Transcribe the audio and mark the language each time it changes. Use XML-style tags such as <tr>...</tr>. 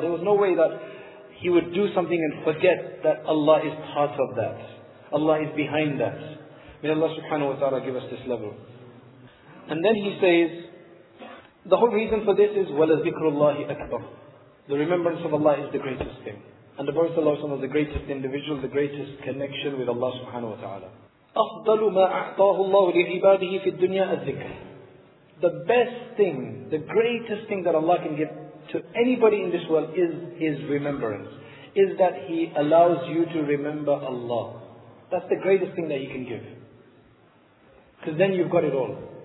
<en>There was no way that he would do something and forget that Allah is part of that. Allah is behind that. May Allah subhanahu wa ta'ala give us this level. And then he says, the whole reason for this is</en> <ar>wala dhikrullahi akbar.</ar> <en>The remembrance of Allah is the greatest thing. And the Prophet sallallahu alaihi wasallam is the greatest individual, the greatest connection with Allah subhanahu wa ta'ala.</en> <ar>أفضل ما أعطاه الله لعباده في الدنيا الذكر.</ar> <en>The best thing, the greatest thing that Allah can give to anybody in this world is His remembrance. Is that He allows you to remember Allah. That's the greatest thing that He can give. Because then you've got it all.</en>